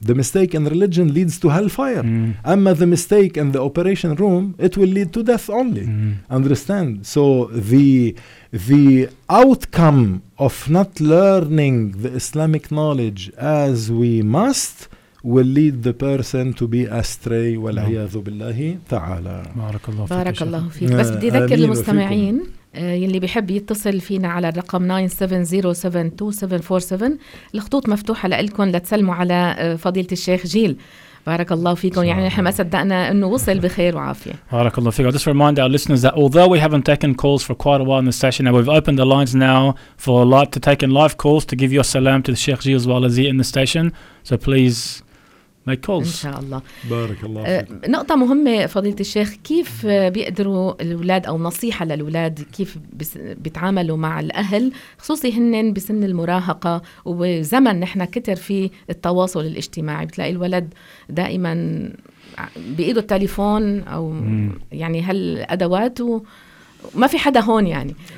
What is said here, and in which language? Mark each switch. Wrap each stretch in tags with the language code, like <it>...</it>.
<en>The mistake in religion leads to hellfire.</en> <ar>أما</ar> <en>the mistake in the operation room, it will lead to death only. Understand? So the outcome of not learning the Islamic knowledge as we must will lead the person to be astray.</en> <ar>والعياذ بالله تعالى. بارك الله فيك. بس بدي ذكر المستمعين يلي بيحب يتصل فينا على الرقم 9707-2747. الخطوط مفتوحة لكم لتسلموا على فضيلة الشيخ جيل. بارك الله فيكم. يعني نحن ما صدقنا انه وصل بخير وعافية. بارك الله فيكم.</ar> <en>Just remind our listeners that although we haven't taken calls for quite a while in the session, and we've opened the lines now for a lot to take in live calls to give your salam to the Sheikh Ji as well as he in the station. So please make calls.</en> <ar>ان شاء الله. بارك الله فيكم. نقطة مهمة فضيلة الشيخ، كيف بيقدروا الأولاد أو نصيحة للأولاد كيف بيتعاملوا مع الأهل، خصوصي هنن بسن المراهقة وزمن نحن كتر فيه التواصل الاجتماعي، بتلاقي الولد دائما بإيده التليفون أو يعني هالأدوات وما في حدا هون يعني.</ar>